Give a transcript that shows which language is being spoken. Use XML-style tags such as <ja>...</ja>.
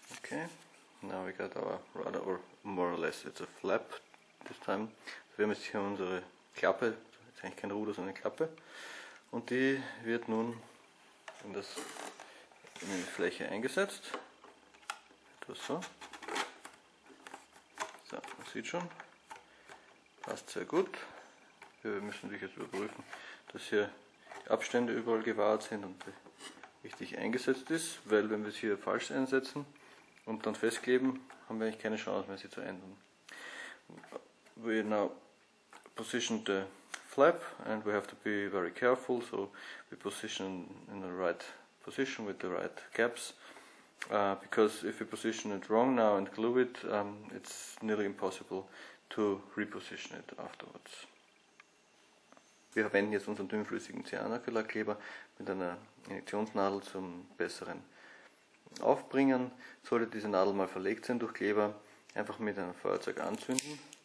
<en>Okay, now we got our rudder, or more or less it's a flap this time.</en> <de>So wir haben jetzt hier unsere Klappe, ist eigentlich kein Ruder, sondern eine Klappe. Und die wird nun in die Fläche eingesetzt. Etwas so. So, man sieht schon. Passt sehr gut. Wir müssen natürlich jetzt überprüfen, dass hier die Abstände überall gewahrt sind und richtig eingesetzt ist, weil wenn wir es hier falsch einsetzen und dann festkleben, haben wir eigentlich keine Chance mehr, sie zu ändern.</de> <en>We now position the flap and we have to be very careful, so we position in the right position with the right gaps, because if we position it wrong now and glue it, it's nearly impossible to reposition it afterwards.</en> <de>Wir verwenden jetzt unseren dünnflüssigen Cyanacrylatkleber mit einer Injektionsnadel zum besseren Aufbringen. Sollte diese Nadel mal verlegt sein durch Kleber, einfach mit einem Feuerzeug anzünden.</de>